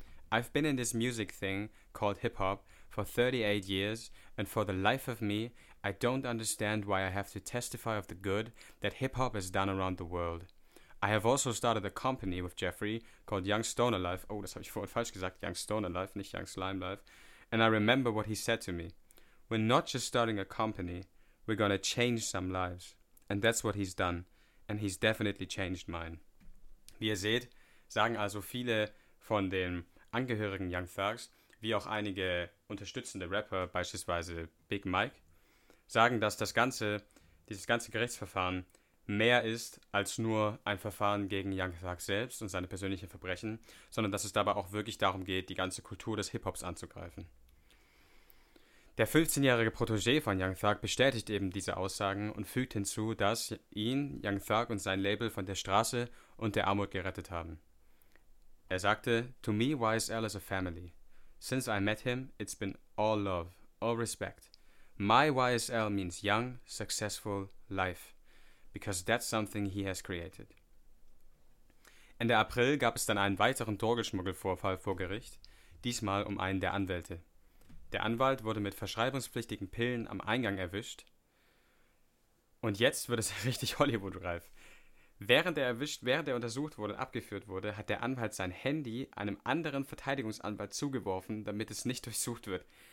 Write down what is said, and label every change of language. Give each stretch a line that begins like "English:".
English: I've been in this music thing called hip-hop for 38 years and for the life of me, I don't understand why I have to testify of the good that hip-hop has done around the world. I have also started a company with Jeffrey called Young Stoner Life.
German: Oh, das habe ich vorhin falsch gesagt. Young Stoner Life, nicht Young Slime Life.
English: And I remember what he said to me. We're not just starting a company, we're gonna change some lives. And that's what he's done. And he's definitely changed mine.
German: Wie ihr seht, sagen also viele von den Angehörigen Young Thugs, wie auch einige unterstützende Rapper, beispielsweise Big Mike, sagen, dass dieses ganze Gerichtsverfahren mehr ist als nur ein Verfahren gegen Young Thug selbst und seine persönlichen Verbrechen, sondern dass es dabei auch wirklich darum geht, die ganze Kultur des Hip-Hops anzugreifen. Der 15-jährige Protégé von Young Thug bestätigt eben diese Aussagen und fügt hinzu, dass ihn Young Thug und sein Label von der Straße und der Armut gerettet haben. Er sagte:
English: To me, YSL is a family. Since I met him, it's been all love, all respect. My YSL means young, successful life, because that's something he has created.
German: Ende April gab es dann einen weiteren Drogenschmuggelvorfall vor Gericht, diesmal um einen der Anwälte. Der Anwalt wurde mit verschreibungspflichtigen Pillen am Eingang erwischt. Und jetzt wird es richtig Hollywood-reif. Während er untersucht wurde und abgeführt wurde, hat der Anwalt sein Handy einem anderen Verteidigungsanwalt zugeworfen, damit es nicht durchsucht wird.